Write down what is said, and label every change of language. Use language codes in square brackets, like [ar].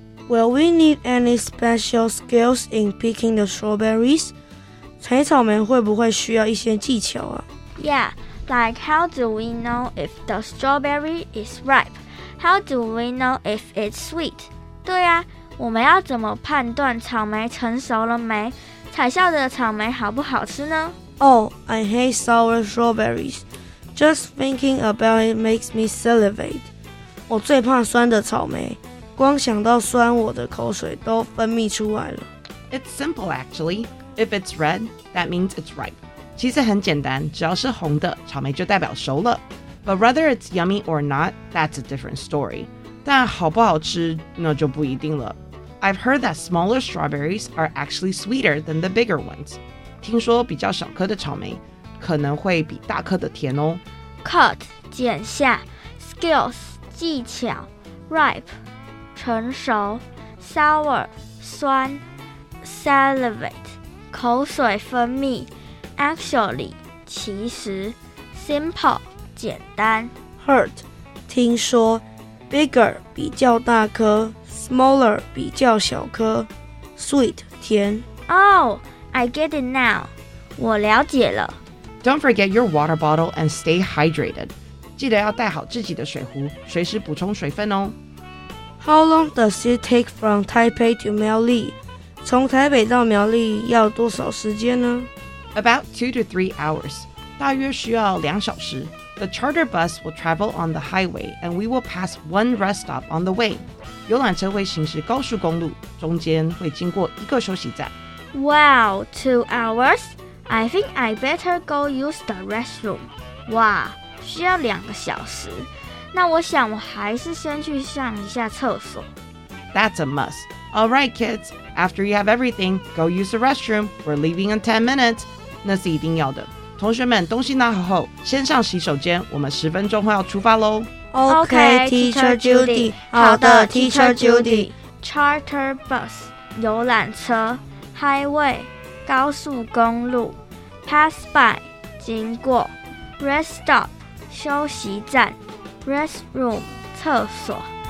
[en] Will we need any special skills in picking the strawberries? [zh] 采草莓会不会需要一些技巧啊 [en] Yeah, like how do we know if the strawberry is ripeHow do we know if it's sweet? [zh] 对啊，我们要怎么判断草莓成熟了没？采下的草莓好不好吃呢？ [en] Oh, I hate sour strawberries. Just thinking about it makes me salivate. [zh] 我最怕酸的草莓，光想到酸，我的口水都分泌出来了。 [en] It's simple, actually. If it's red, that means it's ripe. [zh] 其实很简单，只要是红的，草莓就代表熟了。 [en] But whether it's yummy or not, that's a different story. [zh] 但好不好吃，那就不一定了。 [en] I've heard that smaller strawberries are actually sweeter than the bigger ones. [zh] 听说比较小颗的草莓可能会比大颗的甜哦。 Cut, 剪下。Skills, 技巧。 Ripe, 成熟。Sour, 酸。 Salivate, 口水分泌。Actually, 其实。 Simple,简单 Hurt 听说 Bigger 比较大颗 Smaller 比较小颗 Sweet 甜 [en] Oh, I get it now [zh] 我了解了 [en] Don't forget your water bottle and stay hydrated [zh] 记得要带好自己的水壶随时补充水分哦 [en] How long does it take from Taipei to Miaoli? [zh] 从台北到苗栗要多少时间呢 [en] About 2 to 3 hours [zh] 大约需要2小时 [en] The charter bus will travel on the highway, and we will pass one rest stop on the way. [zh] 游览车会行驶高速公路，中间会经过一个休息站。 [en] Wow, 2 hours? I think I better go use the restroom. [zh] 哇，需要2个小时。那我想我还是先去上一下厕所。 [en] That's a must. All right, kids. After you have everything, go use the restroom. We're leaving in 10 minutes. [zh] 那是一定要的。同学们，东西拿好后，先上洗手间。我们十分钟后要出发喽。 [en] Okay, Teacher Judy. [zh] 好的 ，Teacher Judy. Charter bus, 游览车 ，Highway, 高速公路 ，Pass by, 经过 ，Rest stop, 休息站 ，Restroom, 厕所。